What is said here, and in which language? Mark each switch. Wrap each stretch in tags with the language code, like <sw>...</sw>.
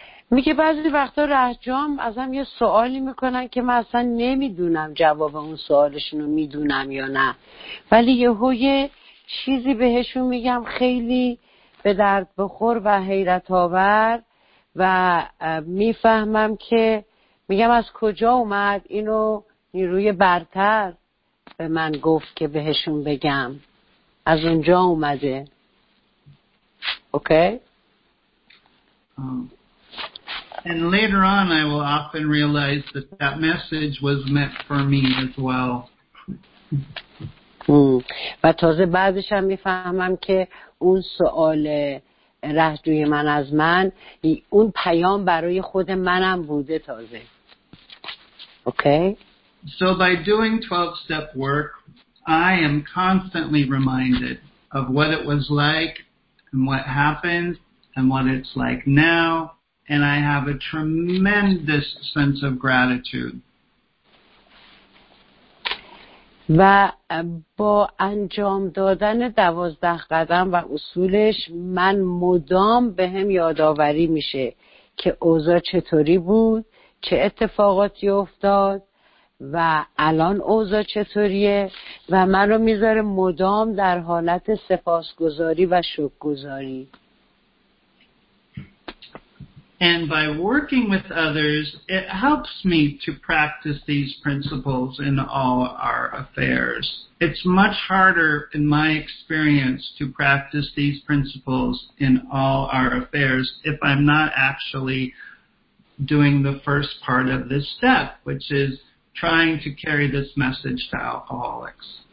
<fa>میگه بعضی وقتا رهجام ازم یه سوالی میکنن که من اصلا نمیدونم جواب اون سوالشون رو میدونم یا نه، ولی یهو یه چیزی بهشون میگم خیلی به درد بخور و حیرت آور و میفهمم که میگم از کجا اومد اینو نیروی برتر به من گفت که بهشون بگم، از اونجا اومده. اوکی؟</fa> <en>And later on, I will often realize that that message was meant for me as well.</en> <fa>و تازه بعدش هم میفهمم که اون سوال رهجوی من از من اون پیام برای خود منم بوده تازه.</fa> <en>Okay. So by doing 12-step work, I am constantly reminded of what it was like and what happened and what it's like now. And I have a tremendous sense of gratitude.</en> <fa>و با انجام دادن 12 قدم و اصولش من مدام بهم یادآوری میشه که اوضاع چطوری بود، چه اتفاقاتی افتاد و الان اوضاع چطوریه و منو میذاره مدام در حالت سپاسگزاری و شکرگزاری.</fa> <en>And by working with others, it helps me to practice these principles in all our affairs. It's much harder, in my experience, to practice these principles in all our affairs if I'm not actually doing the first part of this step, which is trying to carry this message to alcoholics.</en>